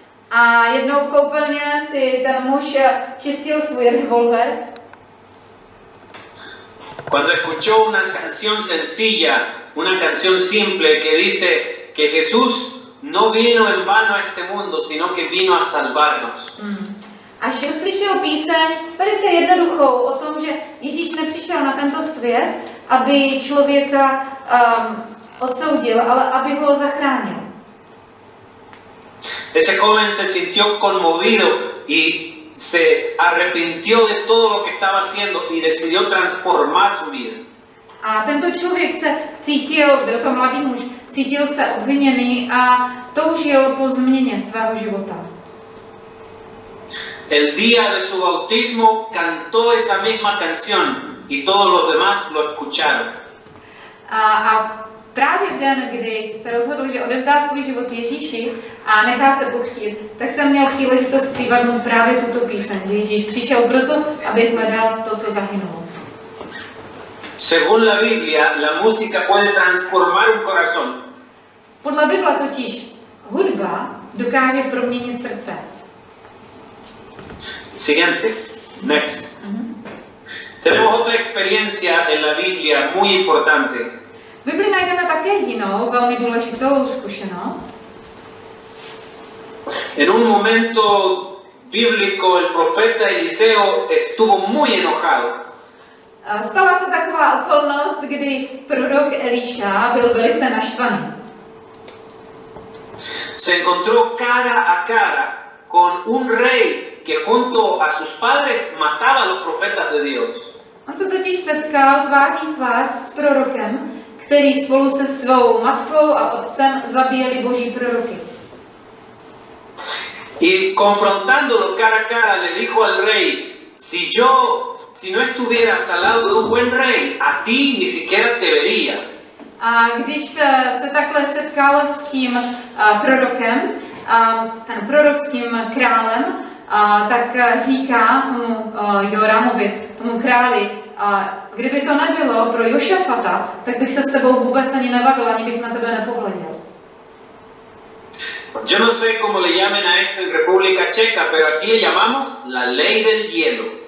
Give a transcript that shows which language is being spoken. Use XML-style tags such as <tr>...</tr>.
<cs>A jednou v koupelně si ten muž čistil svůj revolver.</cs> <es>Cuando escuchó una canción sencilla, una canción simple que dice que Jesús no vino en vano a este mundo, sino que vino a salvarnos.</es> <cs>Až uslyšel píseň velice jednoduchou o tom, že Ježíš nepřišel na tento svět, aby člověka odsoudil, ale aby ho zachránil.</cs> <es>Ese joven se sintió conmovido y se arrepintió de todo lo que estaba haciendo y decidió transformar su vida.</es> <cs>A tento člověk se cítil, byl to mladý muž, cítil se obviněný a toužil po změně svého života.</cs> <es>El día de su bautismo cantó esa misma canción y todos los demás lo escucharon.</es> <cs>A právě v den, kdy se rozhodl, že odevzdá svůj život Ježíši a nechá se pokřtít, tak jsem měl příležitost zpívat mu právě tuto píseň, že Ježíš přišel proto, aby hledal to, co zahynulo.</cs> <es>Según la Biblia, la música puede transformar un corazón.</es> <cs>Podle Bible totiž hudba dokáže proměnit srdce.</cs> <es>Siguiente.</es> <en>Next.</en> <es>Tenemos otra experiencia en la Biblia muy importante.</es> <cs>V Bibli najdeme také jinou velmi důležitou zkušenost.</cs> <es>En un momento bíblico el profeta Eliseo estuvo muy enojado.</es> <cs>Stala se taková okolnost, kdy prorok Eliša byl velice naštvaný.</cs> <es>Se encontró cara a cara con un rey que junto a sus padres mataba a los profetas de Dios.</es> <cs>On se totiž setkal tváří v tvář s prorokem, který spolu se svou matkou a otcem zabíjeli boží proroky.</cs> <es>Y confrontándolo cara a cara le dijo al rey, si no estuvieras al lado de un buen rey, a ti ni siquiera te vería.</es> <cs>A když se takhle setkal s tím prorokem, ten prorok s tím králem, tak říká tomu Joramovi, tomu králi, kdyby to nebylo pro Jošafata, tak bych se s tebou vůbec ani nebavil, ani bych na tebe nepohleděl.</cs> <es>Yo no sé cómo le llamen a esto en República Checa, pero aquí le llamamos la ley del hielo.</es>